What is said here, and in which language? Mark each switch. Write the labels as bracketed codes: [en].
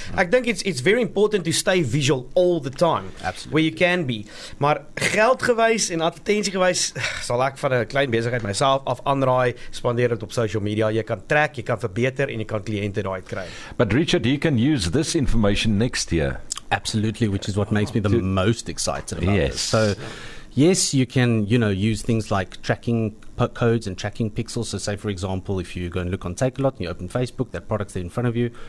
[af] Ek dink [en] it's very important to stay visual all the time. Absolutely. Where you can be. [af] Maar geldgewys en advertensiegewys sal ek van 'n klein besigheid myself af aanraai, spandeer dit op social media. Jy kan track, jy kan verbeter en jy kan kliënte daai kry. [en] But Richard, you can use this information next year. Absolutely, which is what makes me the most excited about yes. this. So, yes, you can, you know, use things like tracking codes and tracking pixels. So, say, for example, if you go and look on Takealot and you open Facebook, that product's there in front of you.